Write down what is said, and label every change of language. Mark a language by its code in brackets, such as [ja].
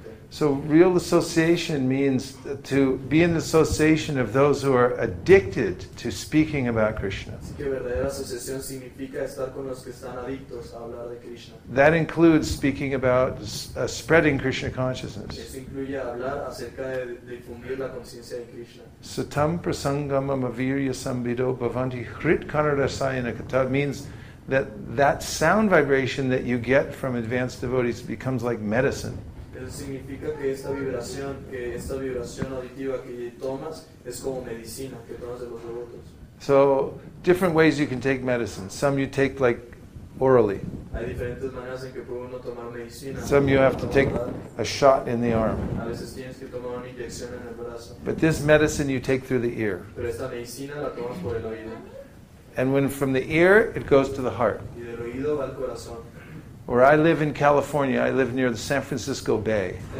[en] So real association means to be in the association of those who are addicted to speaking about Krishna. [es] Así que verdadera asociación significa estar con los que están adictos a hablar de Krishna. [en] That includes speaking about spreading Krishna consciousness. [es] Eso incluye hablar acerca de difundir la conciencia de Krishna. [sa] Satam prasangam avirya sambido bhavanti hrit kanarasayana kata [en] means that sound vibration that you get from advanced devotees becomes like medicine. [es] Eso significa que esta vibración auditiva que tomas es como medicina que tomas de los devotos. [en] So different ways you can take medicine. Some you take like orally. [es] Hay diferentes maneras en que puede uno tomar medicina. [en] Some you have to take a shot in the arm. [es] A veces tienes que tomar una inyección en el brazo. [en] But this medicine you take through the ear. [es] Pero esta medicina la tomas por el oído. [en] And when from the ear it goes to the heart. [es] Y del oído va al corazón. [en] Where I live in California, I live near the San Francisco Bay.